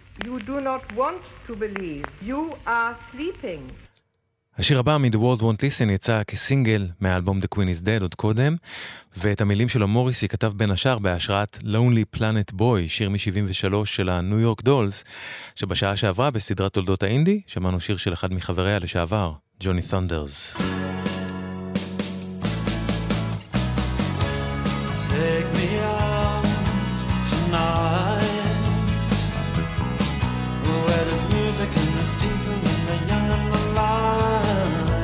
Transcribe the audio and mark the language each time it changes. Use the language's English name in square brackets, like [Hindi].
[English] You do not want to believe. You are sleeping. [Hebrew] השיר הבא מ-The World Won't Listen יצא כסינגל מהאלבום The Queen is Dead עוד קודם, ואת המילים שלו מוריסי כתב בין השאר בהשראת Lonely Planet Boy, שיר מ-73 של הניו יורק דולס, שבשעה שעברה בסדרת תולדות האינדי שמענו שיר של אחד מחבריה לשעבר, ג'וני תונדרס. [English] Take me out tonight where there's music and there's people and they're young and alive.